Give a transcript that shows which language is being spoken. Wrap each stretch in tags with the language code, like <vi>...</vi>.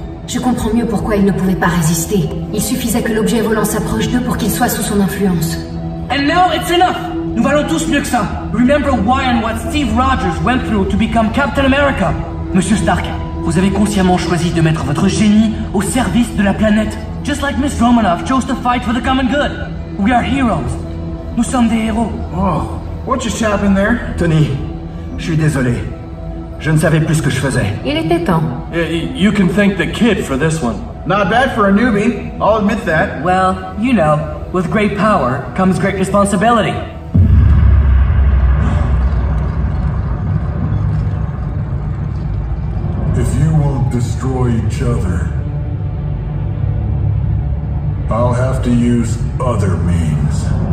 <fr>Je comprends mieux pourquoi il ne pouvait pas résister. Il suffisait que l'objet volant s'approche d'eux pour qu'il soit sous son influence.</fr> <en>And now it's enough!</en> <fr>Nous valons tous mieux que ça.</fr> <en>Remember why and what Steve Rogers went through to become Captain America.</en> <fr>Monsieur Stark, vous avez consciemment choisi de mettre votre génie au service de la planète.</fr> <en>Just like Miss Romanoff chose to fight for the common good. We are heroes.</en> <fr>Nous sommes des héros.</fr> <en>Oh, what just happened there?</en> <fr>Tony. Je suis désolé. Je ne savais plus ce que je faisais. Il était temps.</fr> <en>You can thank the kid for this one. Not bad for a newbie. I'll admit that. Well, you know, with great power comes great responsibility. If you won't destroy each other, I'll have to use other means.</en>